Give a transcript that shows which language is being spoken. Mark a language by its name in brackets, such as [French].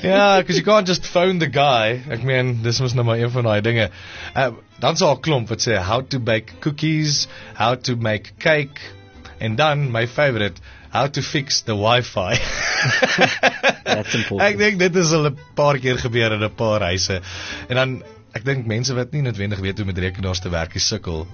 [English] Ja, because you can't just phone the guy. [Afrikaans] Ek meen, dis mos nou maar een van daai dinge. Dan sal 'n klomp wat sê [English] how to bake cookies, how to make cake en dan my favorite how to fix the wifi. That's important. [Afrikaans] Ek dink dit is al 'n paar keer gebeur in 'n paar huise. En dan ek dink mense wat nie noodwendig weet hoe met rekenaars te werk, sukkel.